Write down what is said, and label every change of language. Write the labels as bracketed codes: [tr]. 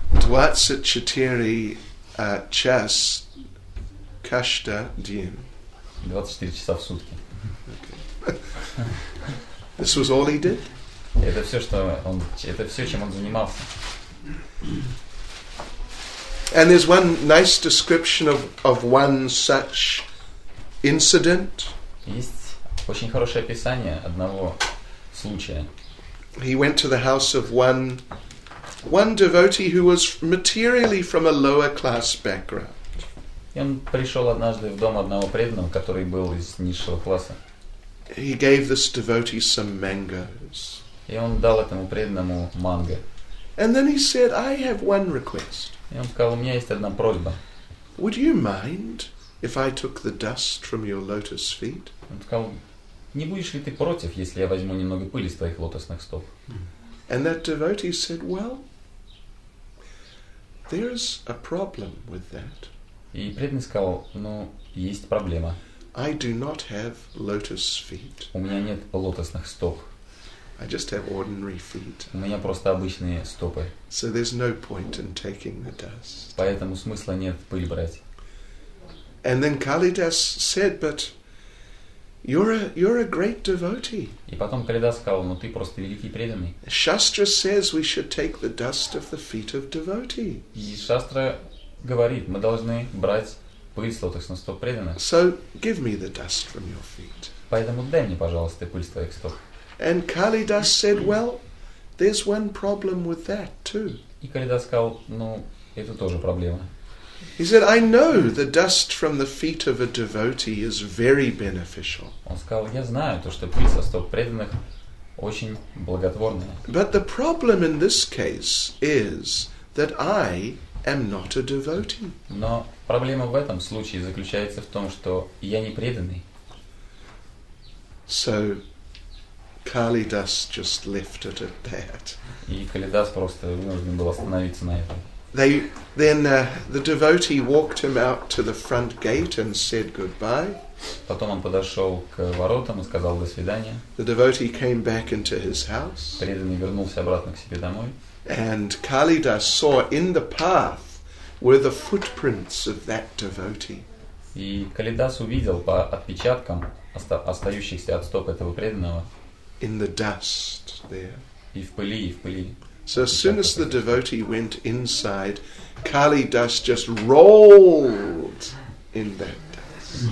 [ru] 24 часа каждый день. 24 часа в сутки. [en] Okay. This was all he did. [ru] Это все, чем он занимался. [en] And there's one nice description of one such incident. [ru] Есть очень хорошее описание одного случая. [en] He went to the house of one devotee who was materially from a lower class background. [ru] И он пришел однажды в дом одного преданного, который был из низшего класса. [en] He gave this devotee some mangoes. [ru] И он дал этому преданному манго. [en] And then he said, "I have one request." [ru] И он сказал: "У меня есть одна просьба." [en] Would you mind if I took the dust from your lotus feet? [ru] Он сказал: "Не будешь ли ты против, если я возьму немного пыли с твоих лотосных стоп?" [en] And that devotee said, "Well, there's a problem with that." [ru] И преданный сказал: "Ну, есть проблема." [en] "I do not have lotus feet." [ru] У меня нет лотосных стоп. [en] "I just have ordinary feet." [ru] У меня просто обычные стопы. [en] "So there's no point in taking the dust." [ru] Поэтому смысла нет пыль брать. [en] And then Kalidas said, but you're a great devotee. [ru] И потом Калидас сказал, ну ты просто великий преданный. [en] Shastra says we should take the dust of the feet of devotee. [ru] И Шастра говорит, мы должны брать пыль с лотых стоп преданных. [en] So give me the dust from your feet. [ru] Поэтому дай мне, пожалуйста, пыль с твоих стоп. [en] And Kalidas said, well, there's one problem with that too. [ru] И Калидас сказал, ну это тоже проблема. [en] He said, I know the dust from the feet of a devotee is very beneficial. [ru] Он сказал, я знаю, то, что пыль со стоп преданных очень благотворная. [en] But the problem in this case is that I am not a devotee. [ru] Но проблема в этом случае заключается в том, что я не преданный. [en] So, Kalidas just left it at that. [ru] И Калидас просто вынужден был остановиться на этом. [en] Then the devotee walked him out to the front gate and said goodbye. [ru] Потом он подошел к воротам и сказал до свидания. [en] The devotee came back into his house. [ru] Преданный вернулся обратно к себе домой. [en] And Kalidas saw in the path were the footprints of that devotee. [ru] И Калидас увидел по отпечаткам остающихся от стоп этого преданного. [en] In the dust there. [ru] И в пыли, и в пыли. [en] So as soon as the devotee went inside, Kalidas just rolled in that dust.